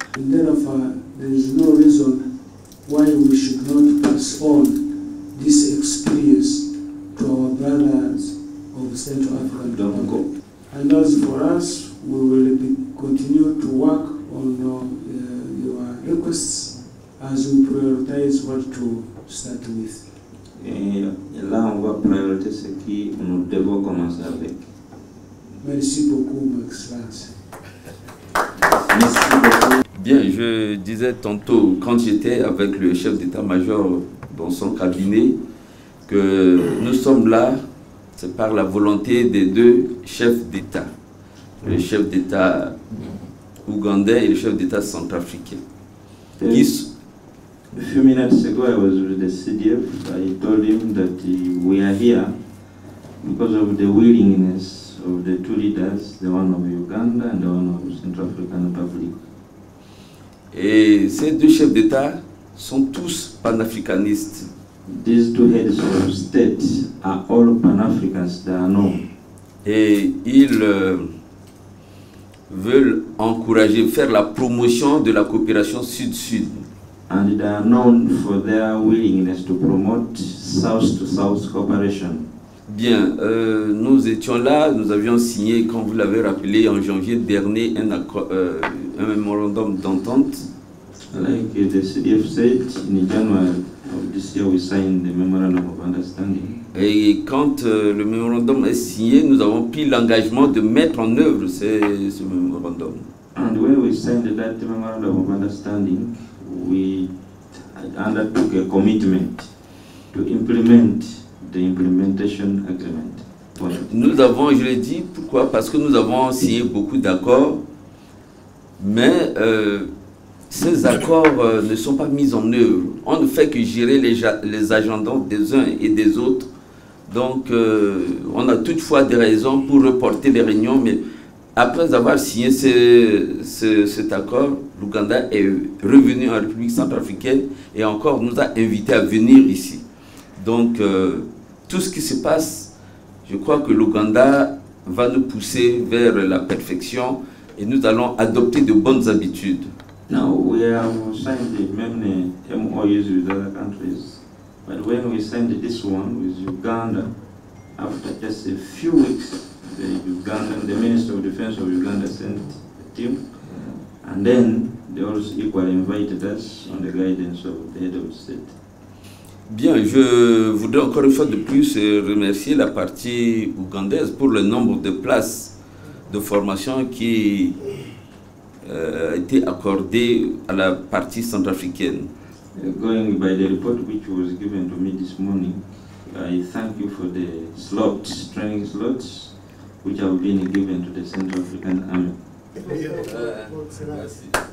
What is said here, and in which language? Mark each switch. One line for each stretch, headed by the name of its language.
English: And therefore, there is no reason why we should not pass on this experience to our brothers of Central Africa. And as for us, we will continue to work on your requests as we prioritize what to start with.
French: Et là, on va prioriser ce qui nous devons commencer avec. Merci beaucoup, Ma Excellence. Bien, je disais tantôt, quand j'étais avec le chef d'état-major dans son cabinet, que nous sommes là, c'est par la volonté des deux chefs d'état, le chef d'état ougandais et le chef d'état centrafricain.
English: A few minutes ago, I was with the CDF. I told him that we are here because of the willingness of the two leaders, the one of Uganda and the one of Central African Republic.
French: Et ces deux chefs d'État sont tous panafricanistes.
English: These two heads of state are all panafricans, they are known.
French: Et ils veulent encourager, faire la promotion de la coopération sud-sud.
English: And they are known for their willingness to promote south-to-south cooperation.
French: Bien, nous étions là, nous avions signé, comme vous l'avez rappelé, en janvier dernier, un mémorandum d'entente.
English: Like the CDF said, in January of this year, we signed the memorandum of understanding.
French: Et quand le mémorandum est signé, nous avons pris l'engagement de mettre en œuvre ce mémorandum.
English: And when we signed that memorandum of understanding, we undertook a commitment to implement the implementation agreement.
French: Nous avons, je l'ai dit, pourquoi? Parce que nous avons signé beaucoup d'accords, mais ces accords ne sont pas mis en œuvre. On ne fait que gérer les agendas des uns et des autres. Donc, on a toutefois des raisons pour reporter les réunions, mais après avoir signé cet accord, l'Ouganda est revenu en République centrafricaine et encore nous a invités à venir ici. Donc, tout ce qui se passe, je crois que l'Ouganda va nous pousser vers la perfection et nous allons adopter de bonnes habitudes.
English: Now we have signed many MOUs with other countries, but when we signed this one with Uganda, after just a few weeks, the Minister of Defense of Uganda sent a team, and then they also equally invited us on the guidance of the head of state.
French: Bien, je voudrais encore une fois de plus remercier la partie ougandaise pour le nombre de places de formation qui a été accordé à la partie centrafricaine.
English: Going by the report which was given to me this morning, I thank you for the training slots which have been given to the Central African Army.
French: Merci.